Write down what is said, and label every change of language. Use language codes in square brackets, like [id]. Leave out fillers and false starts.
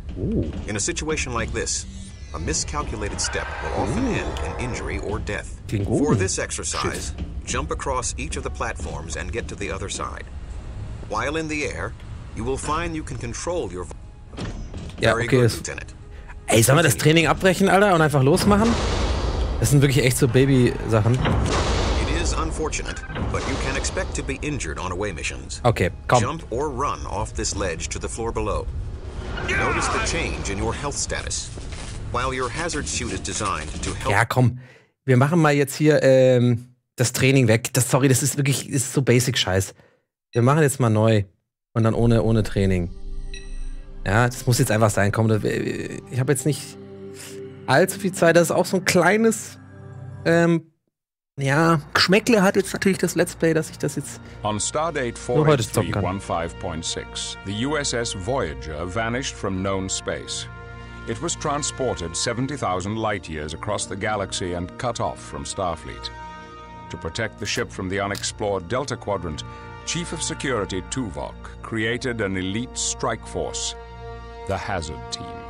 [en] Ooh. In a situation like this, a miscalculated step will often end in injury or death. For this exercise, jump across each of the platforms and get to the other side. While in the air, you will find you can control your... Ja, okay. Good, Lieutenant. [de] Ey, sollen wir das Training abbrechen, Alter, und einfach losmachen? Das sind wirklich echt so Baby-Sachen. [en] It is unfortunate, but you can expect to be injured on away missions. [de] Okay, komm. [en] Jump or run off this ledge to the floor below. Notice the change in your health status. While your hazard suit is designed to help. [de] Ja, komm. Wir machen mal jetzt hier das Training weg. Das ist so Basic-Scheiß. Wir machen jetzt mal neu. Und dann ohne Training. Ja, das muss jetzt einfach sein. Komm, ich habe jetzt nicht allzu viel Zeit. Das ist auch so ein kleines. Geschmäckle hat jetzt natürlich das Let's Play, dass ich das jetzt [en] on Stardate 4.15.6, the USS Voyager vanished from known space. It was transported 70,000 light years across the galaxy and cut off from Starfleet. To protect the ship from the unexplored Delta Quadrant, Chief of Security Tuvok created an elite strike force, the Hazard Team.